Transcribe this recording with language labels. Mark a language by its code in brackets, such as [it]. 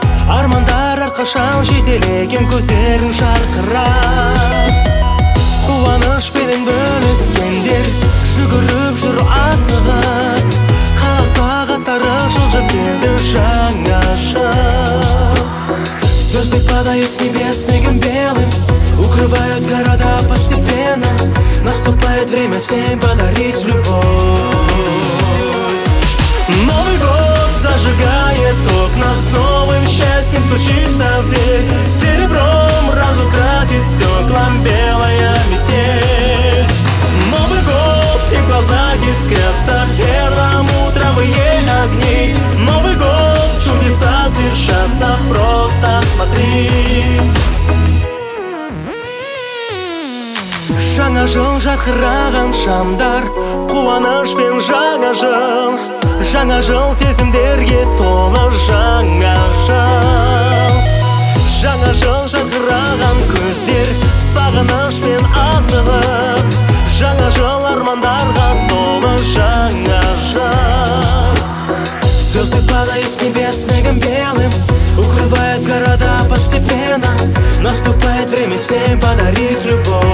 [kk] Армандар арқашан жетелеген көздерін жарқырар. Қуаныш белін бөліскендер, жүгіріп жүр асығып. Қала сағаттары жылжып келді жаңаша. [ru] Звезды падают с небес снегом белым, укрывают города постепенно. Наступает время всем подарить любовь. Новый год зажигает окна, с новым счастьем стучится в дверь. Серебром разукрасит стеклам белая метель. Новый год и в глазах искрятся первым утром и ель огни. Новый год чудеса свершатся, просто смотри. [kk] Жаңа жыл жарқыраған шамдар, қуаныш пен жаңа жыл. Жаңа жыл сезімдерге толы жаңа жыл. Жаңа жыл жарқыраған көздер, сағыныш пен асығып. Жаңа жыл армандарға толы жаңа жыл. [ru] Звезды падают с небес снегом белым, укрывают города постепенно. Наступает время всем подарить любовь.